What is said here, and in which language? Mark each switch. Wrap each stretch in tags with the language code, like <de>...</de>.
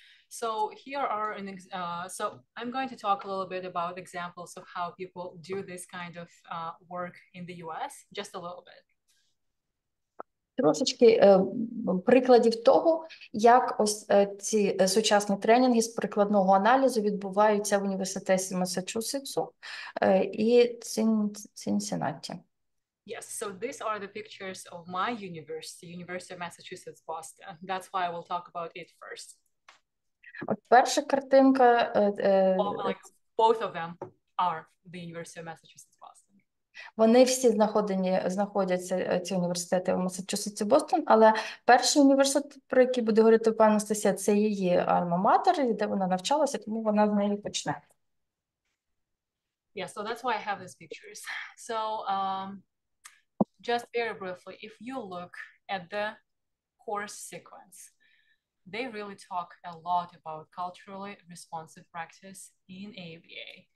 <en>So here are an ex so I'm going to talk a little bit about examples of how people do this kind of work in the US, just a little bit.</en> <uk>Трошечки прикладів того, як ось ці сучасні тренінги з прикладного аналізу відбуваються в університеті Масачусетсу і Цинциннаті.</uk> <en>Yes, so these are the pictures of my university, University of Massachusetts Boston. That's why I will talk about it first.</en> <uk>От перша картинка</uk> <en>Like both of them are the University of Massachusetts Boston.</en> <uk>Вони всі знаходяться ці університети в Масачусетсі Бостон, але перший університет, про який буде говорити пан Анастасія, це її альма-матер, де вона навчалася, тому вона з неї почне.</uk> <en>Yeah, so that's why I have these pictures. So just very briefly, if you look at the course sequence, they really talk a lot about culturally responsive practice in ABA.</en>